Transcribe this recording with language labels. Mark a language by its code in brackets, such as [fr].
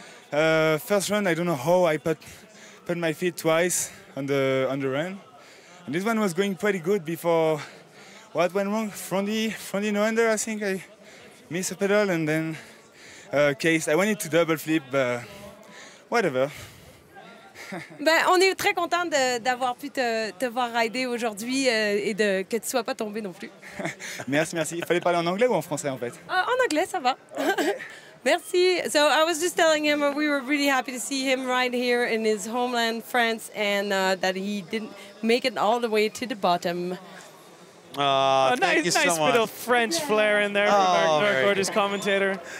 [en] First run, I don't know how I put my feet twice on the run. And this one was going pretty good before what went wrong. Fronty no-hander, I think I missed a pedal and then case. I wanted to double flip, but whatever. [fr] Ben, on est très content d'avoir pu te voir rider aujourd'hui et de que tu sois pas tombé non plus. Merci. Il fallait parler en anglais ou en français en fait? En anglais, ça va. Okay. Merci. [en] So I was just telling him we were really happy to see him ride here in his homeland, France, and that he didn't make it all the way to the bottom. Thank you so much. Nice little French flair in there from our gorgeous commentator.